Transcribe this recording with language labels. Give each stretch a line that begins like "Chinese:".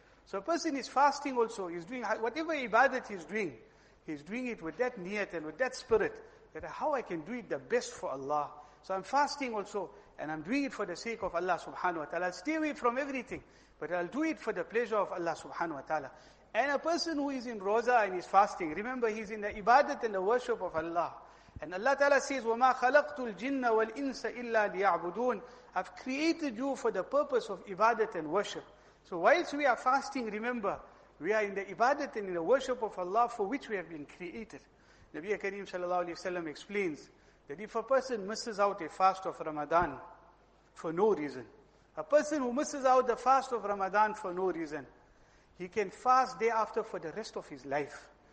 English: So a person is fasting also, he's doing whatever ibadat he's doing it with that niyat and with that spirit, that how I can do it the best for Allah. So I'm fasting also, and I'm doing it for the sake of Allah subhanahu wa ta'ala. I'll stay away from everything, but I'll do it for the pleasure of Allah subhanahu wa ta'ala. And a person who is in roza and is fasting, remember he's in the ibadat and the worship of Allah. And Allah ta'ala says,
Arabic: وَمَا خَلَقْتُ الْجِنَّ وَالْإِنسَ إِلَّا لِيَعْبُدُونَ.
English: I've created you for the purpose of ibadat and worship. So whilst we are fasting, remember, we are in the ibadat and in the worship of Allah for which we have been created. Nabi Kareem sallallahu alayhi wa sallam explains that if a person misses out a fast of Ramadan for no reason, a person who misses out the fast of Ramadan for no reason, he can fast day after for the rest of his life.